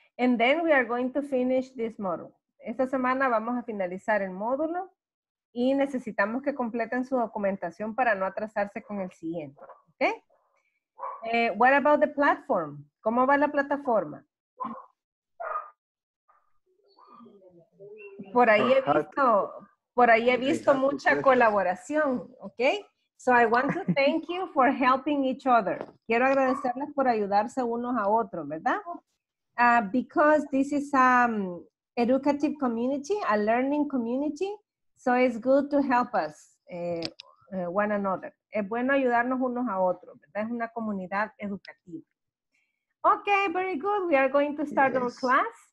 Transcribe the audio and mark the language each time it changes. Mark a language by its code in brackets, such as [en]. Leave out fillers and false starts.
[en] And then we are going to finish this module. [es] Esta semana vamos a finalizar el módulo. Y necesitamos que completen su documentación para no atrasarse con el siguiente, ¿ok? [en] What about the platform? [es] ¿Cómo va la plataforma? Por ahí he visto mucha colaboración, ¿ok? [en] So I want to thank you for helping each other. [es] Quiero agradecerles por ayudarse unos a otros, ¿verdad? [en] Because this is an educative community, a learning community. So it's good to help us one another. [es] Es bueno ayudarnos unos a otros, ¿verdad? Es una comunidad educativa. [en] Okay, very good. We are going to start yes. our class.